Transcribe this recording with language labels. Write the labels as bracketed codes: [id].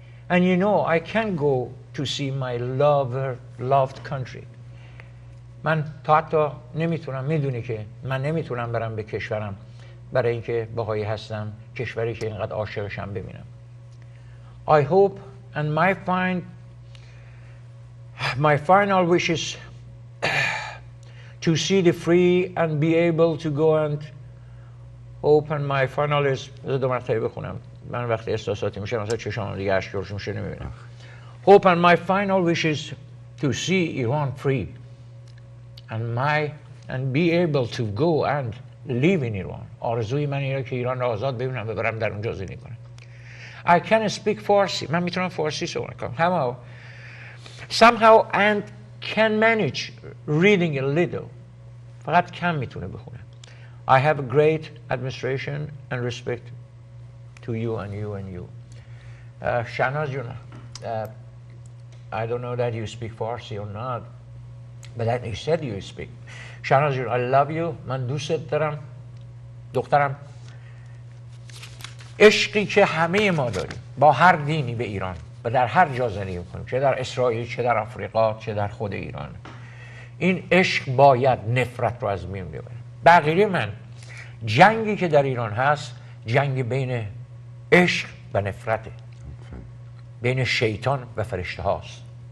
[en] And you know, I can't go to see my loved country. [fa] من تا حتی نمیتونم میدونی که من نمیتونم برم به کشورم برای اینکه بهایی هستم کشوری که اینقدر عاشقشم ببینم. [en] I hope and my final wish is to see the free and be able to go and open my final is [fa] دو مرتبه بخونم من وقتی احساساتی میشم مثلا چشمام دیگه اشک جوش میشه نمیبینم. [en] Hope and my final wish is to see Iran free and be able to go and live in Iran. [fa] آرزوی من اینه که ایران را آزاد ببینم و برم در اونجا زندگی کنم. [en] I can speak Farsi. [fa] من میتونم فارسی صحبت کنم. [en] Somehow and can manage reading a little. [fa] فقط کم میتونه بخونه. [en] I have a great admiration and respect to you. Shahnaz جون. I don't know that you speak Farsi or not, but that you said you speak. Shahnaz جون, I love you. [fa] من دوست دارم. دخترم عشقی که همه ما داریم با هر دینی به ایران و در هر جا زندگی کنیم چه در اسرائیل چه در آفریقا چه در خود ایران این عشق باید نفرت رو از میون ببره. بغیر من جنگی که در ایران هست جنگی بین عشق و نفرته بین شیطان و فرشته هاست.